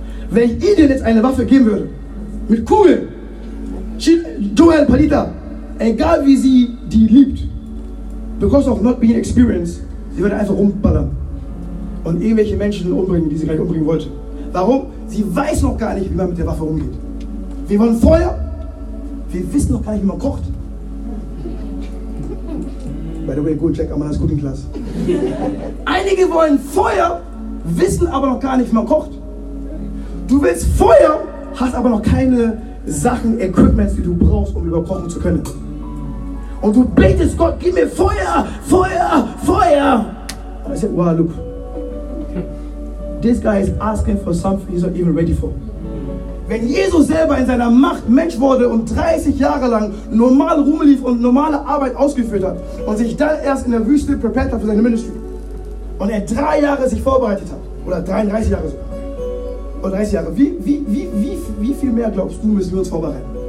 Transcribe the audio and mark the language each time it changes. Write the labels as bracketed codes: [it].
[de] Wenn ich dir jetzt eine Waffe geben würde, mit Kugeln, Joel, Palita, egal wie sie die liebt, [en] because of not being experienced, [de] sie würde einfach rumballern und irgendwelche Menschen umbringen, die sie gleich umbringen wollte. Warum? Sie weiß noch gar nicht, wie man mit der Waffe umgeht. Wir wollen Feuer. Wir wissen noch gar nicht, wie man kocht. [en] By the way, go check Amanda's cooking class. [de] Einige wollen Feuer, wissen aber noch gar nicht, wie man kocht. Du willst Feuer, hast aber noch keine Sachen, Equipments, die du brauchst, um überkochen zu können. Und du betest Gott, gib mir Feuer, Feuer, Feuer. Und ich sage, [en] wow, look, this guy is asking for something he's not even ready for. [de] Wenn Jesus selber in seiner Macht Mensch wurde und 30 Jahre lang normal rumlief und normale Arbeit ausgeführt hat und sich dann erst in der Wüste prepared hat für seine Ministry und er 3 Jahre sich vorbereitet hat, oder 33 Jahre sogar, oder 30 Jahre, wie viel mehr, glaubst du, müssen wir uns vorbereiten?